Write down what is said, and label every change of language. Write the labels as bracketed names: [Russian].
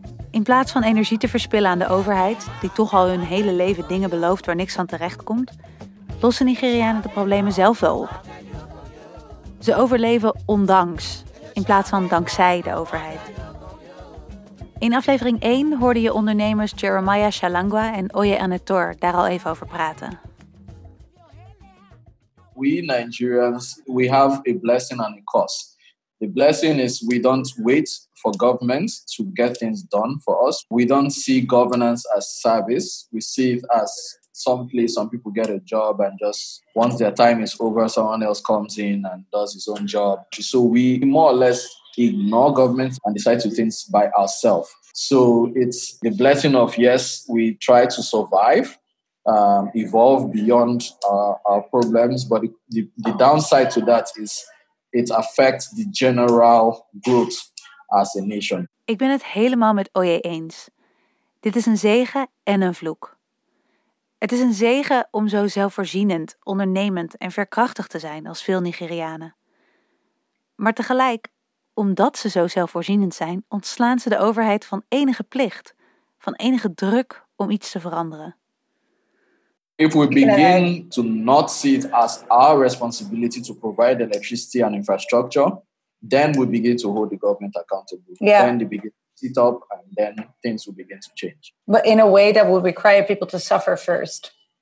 [Dutch] In plaats van energie te verspillen aan de overheid, die toch al hun hele leven dingen belooft waar niks van terechtkomt, lossen Nigerianen de problemen zelf wel op. Ze overleven ondanks, in plaats van dankzij de overheid. In aflevering 1 hoorde je ondernemers Jeremiah Shalangwa en Oye Anetor daar al even over praten. [English] We Nigerians, we have a blessing and a curse. The blessing is we don't wait for government to get things done for us. We don't see governance as service, we see it as some place, some people get a job and just once their time is over, someone else comes in and does his own job. So we more or less ignore government and decide to do things by ourselves. So it's the blessing of, yes, we try to survive, evolve beyond our problems. But the downside to that is it affects the general growth as a nation. [Dutch] Ik ben het helemaal met Oye eens. Dit is een zegen en een vloek. Het is een zegen om zo zelfvoorzienend, ondernemend en veerkrachtig te zijn als veel Nigerianen. Maar tegelijk, omdat ze zo zelfvoorzienend zijn, ontslaan ze de overheid van enige plicht, van enige druk om iets te veranderen. [English] If we begin to not see it as our responsibility to provide electricity and infrastructure, then we begin to hold the government accountable. Yeah. Then they begin sit up and then things will begin to change. But in a way that would require people to suffer first.